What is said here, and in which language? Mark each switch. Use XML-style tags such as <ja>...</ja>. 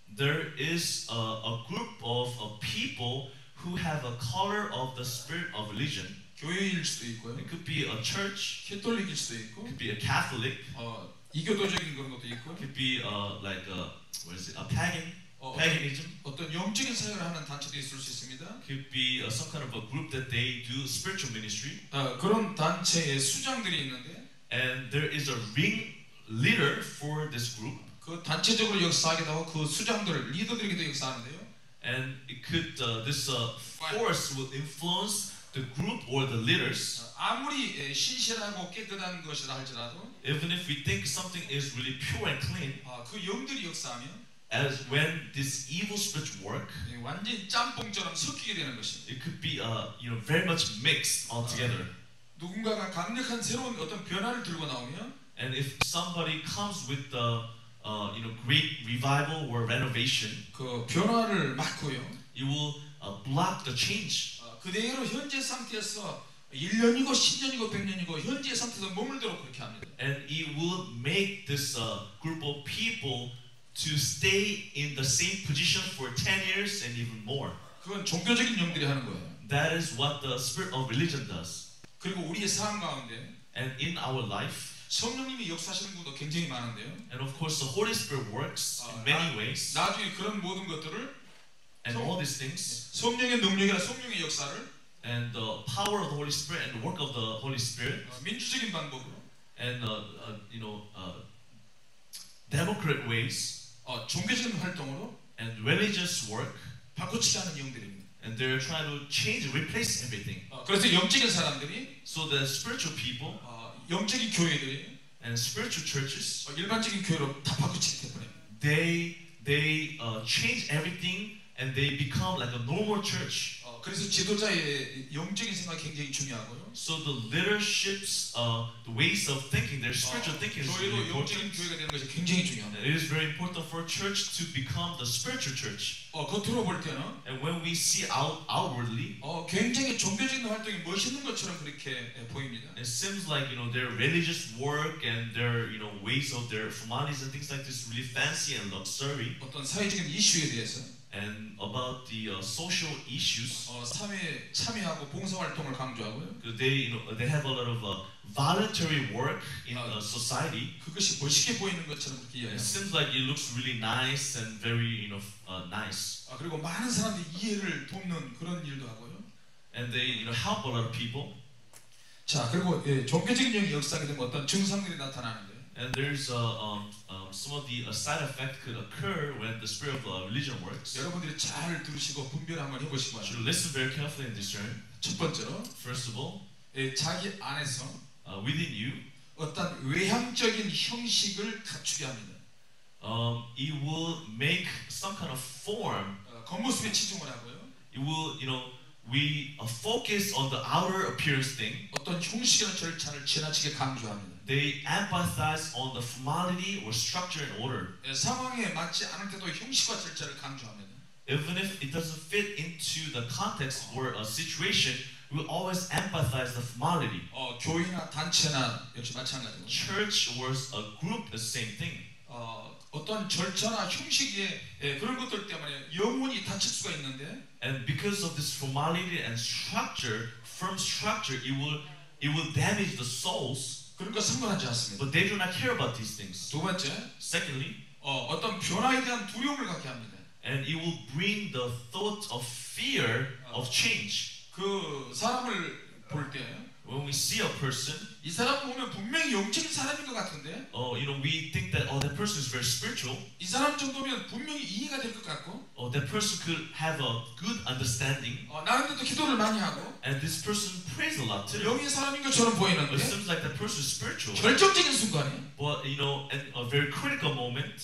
<en>There is a group of people who have a color of the spirit of religion.</en> <ko>교회일 수도 있고요.</ko> <en>It could be a church.</en> <ko>캐톨릭일 수도 있고.</ko> <en>It could be a Catholic.</en> <ko>이교도적인 그런 것도 있고.</ko> <en>It could be like a what is it? A pagan. Paganism.</en> <ko>어떤 영적인 사역을 하는 단체도 있을 수 있습니다.</ko> <en>Could be some kind of a group that they do spiritual ministry.</en> <ko>그런 단체의 수장들이 있는데.</ko> <en>And there is a ring leader for this group.</en> <ko>그 단체적으로 역사하기도 하고 그 수장들, 리더들에게도 역사하는데요.</ko> <en>And it could this force would influence the group or the leaders.</en> <ko>아무리 신실하고 깨끗한 것이라 할지라도,</ko> <en>even if we think something is really pure and clean,</en> <ko>그 영들이 역사하면,</ko> <en>as when this evil spirit work,</en> <ko>완전 짬뽕처럼 섞이게 되는 것입니다.</ko> <en>It could be you know very much mixed altogether.</en> <ko>누군가가 강력한 새로운 어떤 변화를 들고 나오면,</ko> <en>and if somebody comes with the you know, great revival or renovation.</en> <ko>그 변화를 막고요.</ko> <en>It will block the change.</en> <ko>그대로 현재 상태에서 1년이고 10년이고 100년이고 현재 상태에서 머물도록 그렇게 합니다.</ko> <en>And it will make this group of people to stay in the same position for 10 years and even more.</en> <ko>그건 종교적인 영들이 하는 거예요.</ko> <en>That is what the spirit of religion does.</en> <ko>그리고 우리의 삶 가운데.</ko> <en>And in our life.</en> <ko>성령님이 역사하시는 것도 굉장히 많은데요.</ko> <en>And of course, the Holy Spirit works in many ways.</en> <ko>나중에 그런 모든 것들을</ko> <en>and all these things</en> <ko>성령의 능력이나 성령의 역사를</ko> <en>and the power of the Holy Spirit and the work of the Holy Spirit</en> <ko>민주적인 방법으로</ko> <en>and you know democratic ways</en> <ko>종교적인 활동으로</ko> <en>and religious work</en> <ko>바꾸치지 않은 영들입니다.</ko> <en>And they're trying to change, replace everything.</en> <ko>그래서 영적인 사람들이</ko> <en>so the spiritual people</en> <ko>영적인 교회들이</ko> <en>and spiritual churches</en> <ko>일반적인 교회로 다 바꾸치게 되버려요.</ko> <en>They change everything and they become like a normal church.</en> <ko>그래서 지도자의 영적인 생각 굉장히 중요하고요.</ko> <en>So the leadership's the ways of thinking, their spiritual thinking is really important.</en> <ko>교회로 영적인 교회가 되는 것이 굉장히 중요합니다.</ko> <en>It is very important for a church to become the spiritual church.</en> <ko>겉으로 볼 때는</ko> <en>and when we see outwardly</en> <ko>굉장히 종교적인 활동이 멋있는 것처럼 그렇게 보입니다.</ko> <en>It seems like you know their religious work and their you know ways of their formalities and things like this really fancy and luxury.</en> <ko>어떤 사회적인 이슈에 대해서</ko> <en>and about the social issues</en> <ko>참여하고 봉사 활동을 강조하고요.</ko> <en>They you know they have a lot of voluntary work in the society.</en> <ko>그것이 멋있게 보이는 것처럼 그렇게 이야기합니다.</ko> <en>It seems like it looks really nice and very you know nice.</en> <ko>그리고 많은 사람들이 이해를 돕는 그런 일도 하고요.</ko> <en>And they you know help a lot of people.</en> <ko>자, 그리고 종교적인 영이 역사하게 되면 어떤 증상들이 나타나는</ko> <en>And there's some of the side effect could occur when the spirit of religion works.</en> <ko>여러분들이 잘 들으시고 분별 한번 해보시고.</ko> <en>You should listen very carefully and discern.</en> <ko>첫 번째로,</ko> <en>first of all,</en> <ko>자기 안에서</ko> <en>within you</en> <ko>어떤 외향적인 형식을 갖추게 합니다.</ko> <en>It will make some kind of form.</en> <ko>겉모습에 집중을 하고요.</ko> <en>It will, you know, we focus on the outer appearance thing.</en> <ko>어떤 형식이나 절차를 지나치게 강조합니다.</ko> <en>They emphasize on the formality or structure and order.</en> <ko>상황에 맞지 않을 때도 형식과 절차를 강조합니다.</ko> <en>Even if it doesn't fit into the context or a situation, We always emphasize the formality.</en> <ko>어, 교회나 단체나 역시 마찬가지입니다.</ko> <en>Church or a group the same thing.</en> <ko>어, 어떤 절차나 형식의 예, 그런 것들 때문에 영혼이 다칠 수가 있는데.</ko> <en>And because of this formality and structure, firm structure, it will damage the souls.</en> <ko>그런 거 상관하지 않습니다.</ko> <en>But they do not care about these things.</en> <ko>두 번째.</ko> <en>Secondly,</en> <ko>어, 어떤 변화에 대한 두려움을 갖게 합니다.</ko> <en>And it will bring the thought of fear of change.</en> <ko>그 사람을 볼 때,</ko> <en>when we see a person,</en> <ko>이 사람 보면 분명히 영적인 사람인 것 같은데.</ko> <en>You know, we think that that person is very spiritual.</en> <ko>이 사람 정도면 분명히 이해가 될 것 같고.</ko> <en>That person could have a good understanding.</en> <ko>나름대로 기도를 많이 하고.</ko> <en>And this person prays a lot too.</en> <ko>영의 사람인 것처럼 보이는데.</ko> <en>It seems like that person is spiritual.</en> <ko>결정적인 순간에.</ko> <en>But you know, at a very critical moment,</en>